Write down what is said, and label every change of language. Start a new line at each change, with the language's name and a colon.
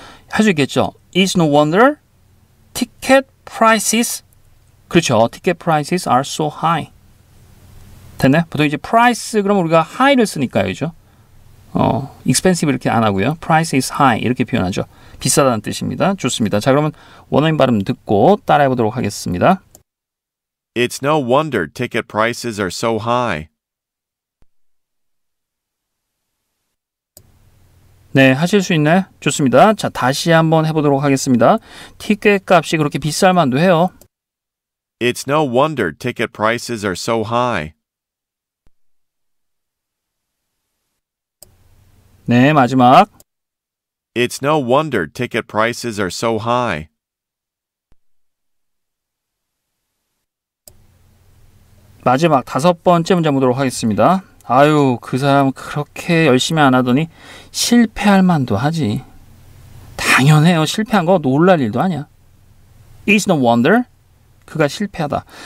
Korean: 할 수 있겠죠.
English: It's no wonder ticket prices,
Korean: 그렇죠.
English: Ticket prices are so high.
Korean: 됐네? 보통 이제 price, 그럼 우리가 high를 쓰니까요. 그렇죠? Expensive 이렇게 안 하고요.
English: Price is high
Korean: 이렇게 표현하죠. 비싸다는 뜻입니다. 좋습니다. 자, 그러면 원어민 발음 듣고 따라해 보도록 하겠습니다.
English: It's no wonder ticket prices are so high.
Korean: 네, 하실 수 있나요? 좋습니다. 자, 다시 한번 해보도록 하겠습니다. 티켓값이 그렇게 비쌀 만도 해요.
English: It's no wonder ticket prices are so high.
Korean: 네, 마지막.
English: It's no wonder ticket prices are so high.
Korean: 마지막 다섯 번째 문장 보도록 하겠습니다. 아유, 그 사람 그렇게 열심히 안 하더니 실패할 만도 하지. 당연해요. 실패한 거 놀랄 일도 아니야.
English: It's no wonder.
Korean: 그가 실패하다.